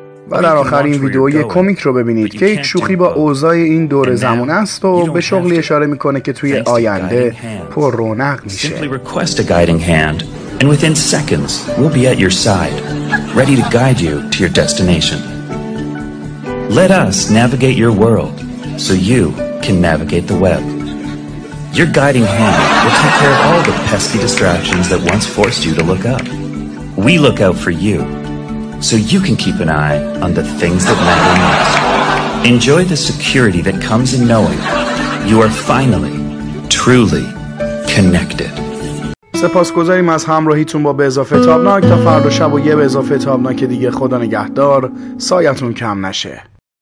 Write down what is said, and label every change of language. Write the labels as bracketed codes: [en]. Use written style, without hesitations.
[fa] و در آخر این ویدیو یه کمیک رو ببینید که یک شوخی با اوضاع این دور زمان است و به شغلی اشاره می‌کنه که توی آینده پر رونق میشه. [en] And within seconds, we'll be at your side, ready to guide you to your destination. Let us navigate your world so you can navigate the web. Your guiding hand will take care of all the pesky distractions that once forced you to look up. We look out for you so you can keep an eye on the things that matter most. Enjoy the security that comes in knowing you are finally, truly connected. [fa] سپاسگزاریم از همراهیتون با به اضافه تابناک. تا فردا شب و یه به اضافه تابناک دیگه، خدا نگهدار، سایتون کم نشه.